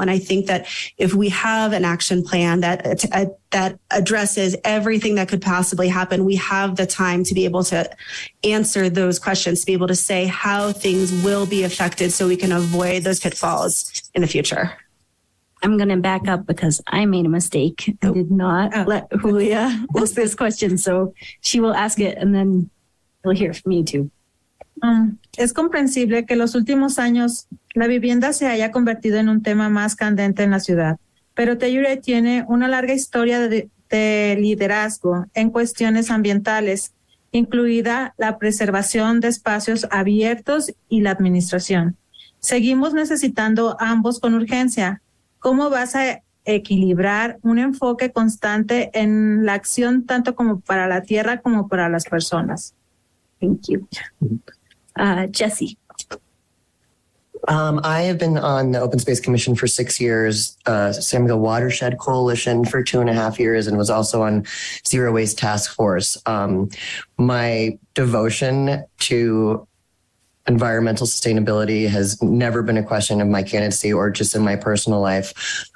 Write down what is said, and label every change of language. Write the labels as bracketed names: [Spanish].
[English] And I think that if we have an action plan that addresses everything that could possibly happen, we have the time to be able to answer those questions, to be able to say how things will be affected so we can avoid those pitfalls in the future. I'm going to back up because I made a mistake. Oh. I did not let Julia ask this question. So she will ask it and then you'll hear from me too. [Spanish] Es comprensible que los últimos años la vivienda se haya convertido en un tema más candente en la ciudad. Pero Telluride tiene una larga historia de liderazgo en cuestiones ambientales, incluida la preservación de espacios abiertos y la administración. Seguimos necesitando ambos con urgencia. ¿Cómo vas a equilibrar un enfoque constante en la acción tanto como para la tierra como para las personas? [English] Thank you. Jesse. I have been on the Open Space Commission for 6 years, Samuel Watershed Coalition for 2.5 years, and was also on Zero Waste Task Force. My devotion to environmental sustainability has never been a question of my candidacy or just in my personal life.